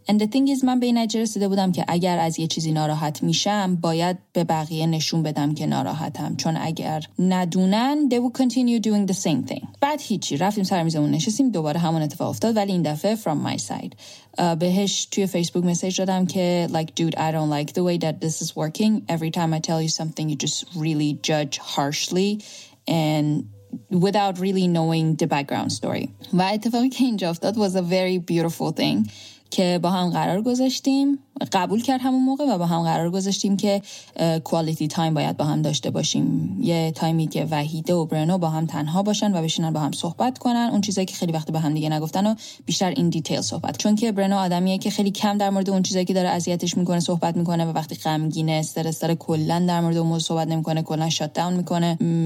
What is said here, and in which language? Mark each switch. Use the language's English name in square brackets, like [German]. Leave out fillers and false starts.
[English] And the thing is [Persian] من به این نتیجه رسیده بودم که اگر از یه چیزی ناراحت میشم باید به بقیه نشون بدم که ناراحتم چون اگر ندونن [English] they will continue doing the same thing. [Persian] بعد هیچی رفتیم سر میزمون نشستیم دوباره همون اتفاق افتاد ولی این دفعه [English] from my side. [Persian] بهش توی فیسبوک مسیج دادم که [English] like dude I don't like the way that this is working. Every time I tell you something you just really judge harshly and without really knowing the background story. [Persian] و اتفاقی که اینجا افتاد [English] was a very beautiful thing. [Persian] که با هم قرار گذاشتیم قبول کرد همون موقع و با هم قرار گذاشتیم که کوالیتی تایم باید با هم داشته باشیم یه تایمی که وحیده و برنو با هم تنها باشن و بشینن با هم صحبت کنن اون چیزایی که خیلی وقت به هم دیگه نگفتن و بیشتر این دیتیل صحبت چون که برنو آدمیه که خیلی کم در مورد اون چیزایی که داره اذیتش میکنه صحبت میکنه و وقتی غمگینه استرس داره کلا در مورد اون موضوع صحبت نمیکنه کلا شات داون میکنه.